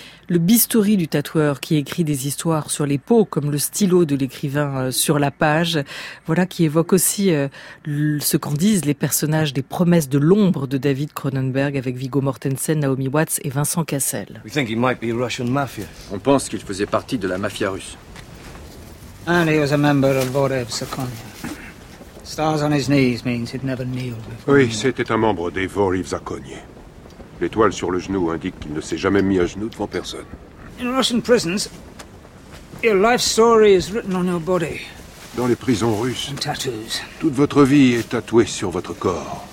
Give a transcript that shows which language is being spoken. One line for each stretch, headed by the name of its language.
French: Le bistouri du tatoueur qui écrit des histoires sur les peaux, comme le stylo de l'écrivain sur la page, voilà qui évoque aussi ce qu'en disent les personnages des Promesses de l'ombre de David Cronenberg avec Viggo Mortensen, Naomi Watts et Vincent Cassel.
English: We think he might be Russian mafia.
French: On pense qu'il faisait partie de la mafia russe.
English: And he was a member of Vorev Zakonia. Stars on his knees means he'd never kneeled before.
French: Oui, c'était un membre des Vorev Zakonia. L'étoile sur le genou indique qu'il ne s'est jamais mis à genoux devant personne.
English: In Russian prisons, your life story is written on your body.
French: Dans les prisons russes,
English: and tattoos.
French: Toute votre vie est tatouée sur votre corps.